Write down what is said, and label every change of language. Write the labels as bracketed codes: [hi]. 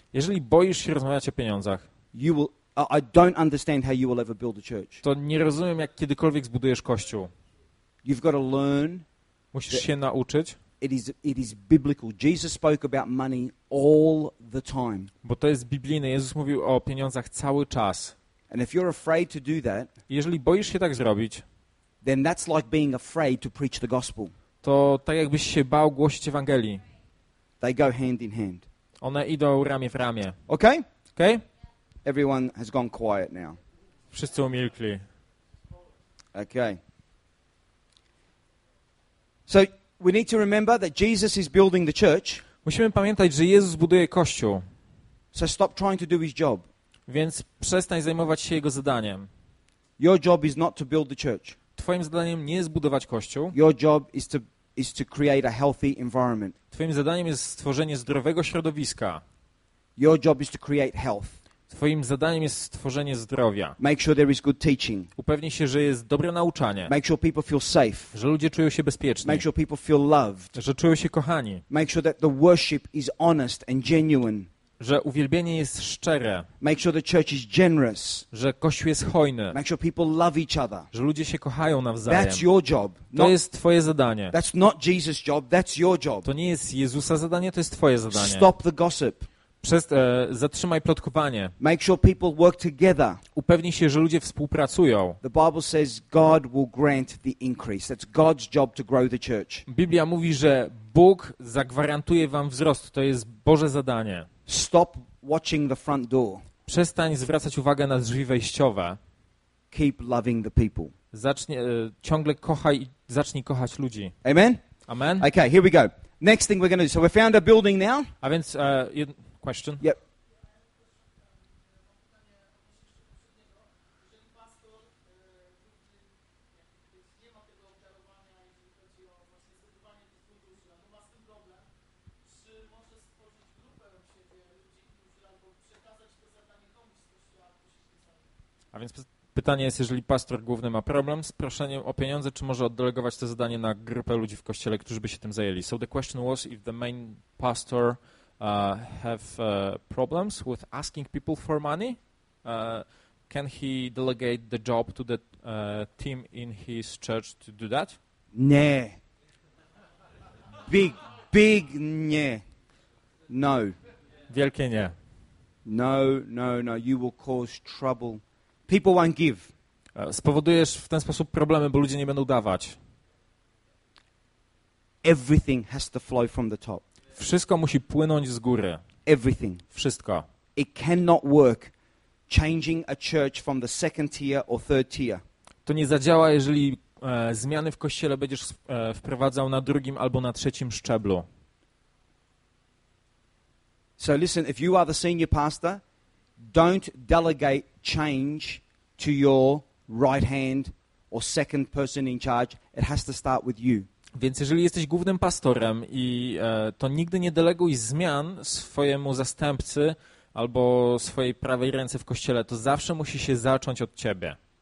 [pl] jeżeli boisz się rozmawiać o pieniądzach, [en] you will, I don't understand how you will ever build a church. [pl] To nie rozumiem, jak kiedykolwiek zbudujesz kościół. [en] You've got to learn. [pl] Musisz się nauczyć. [en] It is biblical. Jesus spoke about money all the time. [pl] Bo to jest biblijne. Jezus mówił o pieniądzach cały czas. [en] And if you're afraid to do that, [pl] jeżeli boisz się tak zrobić, [en] then that's like being afraid to preach the gospel. [pl] To tak jakbyś się bał głosić Ewangelii. [en] They go hand in hand. [pl] One idą ramię w ramię. [en] Okay? [pl] Okay? [en] Everyone has gone quiet now. [pl] Wszyscy umilkli. [en] Okay. So we need to remember that Jesus is building the church. [pl] Musimy pamiętać, że Jezus buduje kościół. [en] So stop trying to do his job. [pl] Więc przestań zajmować się jego zadaniem. [en] Your job is not to build the church. [pl] Twoim zadaniem nie jest budować kościół. [en] Your job is to create a healthy environment. [pl] Twoim zadaniem jest stworzenie zdrowego środowiska. [en] Your job is to create health. [pl] Twoim zadaniem jest stworzenie zdrowia. [en] Make sure there is good teaching. [pl] Upewnij się, że jest dobre nauczanie. [en] Make sure people feel safe. [pl] Że ludzie czują się bezpiecznie. [en] Make sure people feel loved. [pl] Że czują się kochani. [en] Make sure that the worship is honest and genuine. [pl] Że uwielbienie jest szczere. [en] Make sure the church is generous. [pl] Że kościół jest hojny. [en] Make sure people love each other. [pl] Że ludzie się kochają nawzajem. [en] That's your job. [pl] To jest twoje zadanie. [en] That's not Jesus' job, that's your job. [pl] To nie jest Jezusa zadanie, to jest twoje zadanie. [en] Stop the gossip. [pl] Zatrzymaj plotkowanie. [en] Make sure people work together. [pl] Upewnij się, że ludzie współpracują. [en] The Bible says God will grant the increase. That's God's job to grow the church. [pl] Biblia mówi, że Bóg zagwarantuje wam wzrost. To jest Boże zadanie. [en] Stop watching the front door. [pl] Przestań zwracać uwagę na drzwi wejściowe. [en] Keep loving the people. [pl] Ciągle kochaj i zacznij kochać ludzi. [en] Amen. [pl] Amen. [en] Okay, here we go. Next thing we're going to do. So we found a building now. [pl] A więc [en] question. Yep. [pl] A więc pytanie jest, jeżeli pastor główny ma problem z proszeniem o pieniądze, czy może oddelegować to zadanie na grupę ludzi w kościele, którzy by się tym zajęli. [en] So the question was, if the main pastor have problems with asking people for money, can he delegate the job to the team in his church to do that? [pl] Nie. [en] Big [pl] nie. [en] No. [pl] Wielkie nie. [en] No. You will cause trouble. People won't give. [pl] Spowodujesz w ten sposób problemy, bo ludzie nie będą dawać. [en] Everything has to flow from the top. [pl] Wszystko musi płynąć z góry. [en] Everything. [pl] Wszystko. [en] It cannot work changing a church from the second tier or third tier. [pl] To nie zadziała, jeżeli zmiany w kościele będziesz wprowadzał na drugim albo na trzecim szczeblu. [en] So listen, if you are the senior pastor, don't delegate change to your right hand or second person in charge. It has to start with you. [pl] Więc jeżeli jesteś głównym pastorem i to nigdy nie deleguj zmian swojemu zastępcy albo swojej prawej ręce w kościele, to zawsze musi się zacząć od ciebie.